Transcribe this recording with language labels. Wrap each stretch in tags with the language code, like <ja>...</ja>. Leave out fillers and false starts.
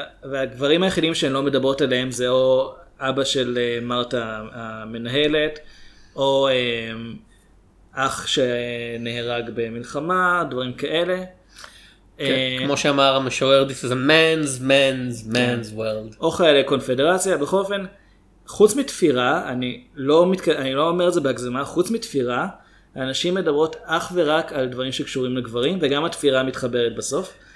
<he>והגברים היחידים שהן לא מדברות עליהם, זה או אבא של מרתה המנהלת, או אח שנהרג במלחמה, דברים כאלה. כמו שאמר המשורר,</he> <en>this is a man's, man's, man's world.</en> <he>או חיילי קונפדרציה, בכל אופן, חוץ מתפירה, אני לא אומר את זה בהגזמה, חוץ מתפירה, האנשים מדברות אך ורק על דברים שקשורים לגברים, וגם התפירה מתחברת בסוף.</he>